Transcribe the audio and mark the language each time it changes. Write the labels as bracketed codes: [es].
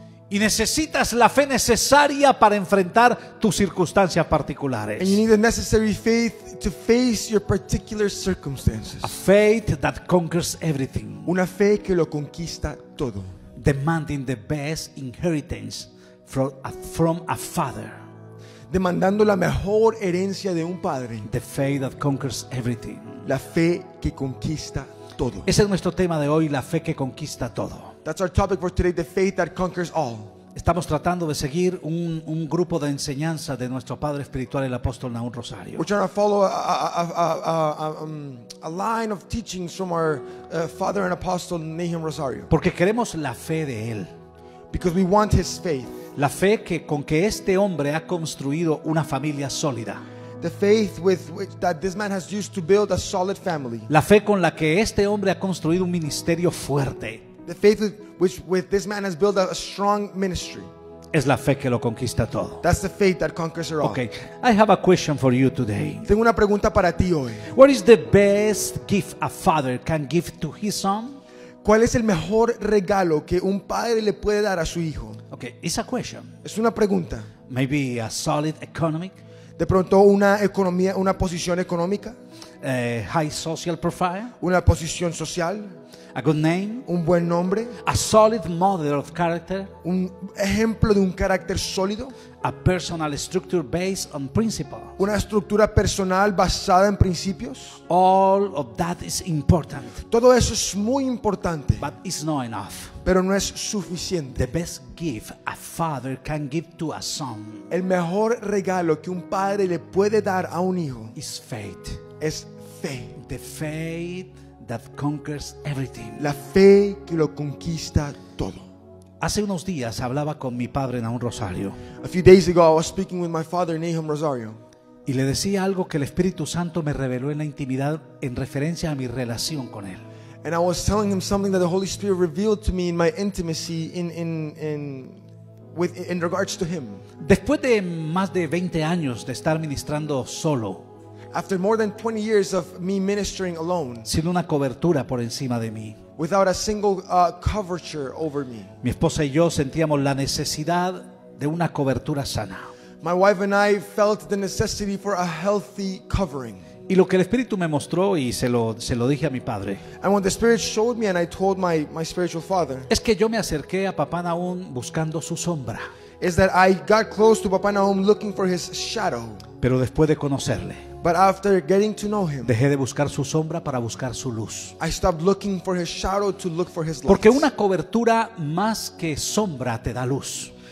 [es] Y necesitas la fe necesaria para enfrentar tus circunstancias particulares. [en] And you need the necessary faith to face your particular circumstances. A faith that conquers everything. [es] Una fe que lo conquista todo. [en] Demanding the best inheritance from a father. [es] Demandando la mejor herencia de un padre. [en] The faith that conquers everything. [es] La fe que conquista todo. Ese es nuestro tema de hoy, la fe que conquista todo. [en] That's our topic for today, the faith that conquers all. [es] Estamos tratando de seguir un grupo de enseñanza de nuestro padre espiritual, el apóstol Nahum Rosario. [en] We're trying to follow a line of teachings from our father and apostle Nahum Rosario. [es] Porque queremos la fe de él. [en] Because we want his faith. [es] La fe que con que este hombre ha construido una familia sólida. [en] The faith with which that this man has used to build a solid family. [es] La fe con la que este hombre ha construido un ministerio fuerte. [en] The faith with which this man has built a strong ministry. [es] Es la fe que lo conquista todo. [en] That's the faith that conquers it all. Okay, I have a question for you today. [es] Tengo una pregunta para ti hoy. [en] What is the best gift a father can give to his son? [es] ¿Cuál es el mejor regalo que un padre le puede dar a su hijo? [en] Okay, it's a question. [es] Es una pregunta. [en] Maybe a solid economic. [es] De pronto una economía, una posición económica. [en] High social profile. [es] Una posición social. [en] A good name. [es] Un buen nombre. [en] A solid model of character. [es] Un ejemplo de un carácter sólido. [en] A personal structure based on principles. [es] Una estructura personal basada en principios. [en] All of that is important. [es] Todo eso es muy importante. [en] But it's not enough. [es] Pero no es suficiente. [en] The best gift a father can give to a son. [es] El mejor regalo que un padre le puede dar a un hijo. [en] Is faith. [es] Es fe. [en] The faith that conquers everything. [es] La fe que lo conquista todo. Hace unos días hablaba con mi padre Nahum Rosario. [en] A few days ago I was speaking with my father Nahum Rosario. [es] Y le decía algo que el Espíritu Santo me reveló en la intimidad en referencia a mi relación con él. [en] And I was telling him something that the Holy Spirit revealed to me in my intimacy in regards to him. [es] Después de más de 20 años de estar ministrando solo. [en] After more than 20 years of me ministering alone, [es] sin una cobertura por encima de mí, [en] without a single coverture over me, [es] mi esposa y yo sentíamos la necesidad de una cobertura sana. [en] My wife and I felt the necessity for a healthy covering. [es] Y lo que el Espíritu me mostró y se lo dije a mi padre. [en] And what the Spirit showed me and I told my spiritual father, [es] es que yo me acerqué a Papá Nahum buscando su sombra. [en] Is that I got close to Papá Nahum looking for his shadow. [es] Pero después de conocerle, [en] but after getting to know him, [es] dejé de buscar su sombra para buscar su luz. [en] I stopped looking for his shadow to look for his light. [es] Porque una cobertura más que sombra te da luz.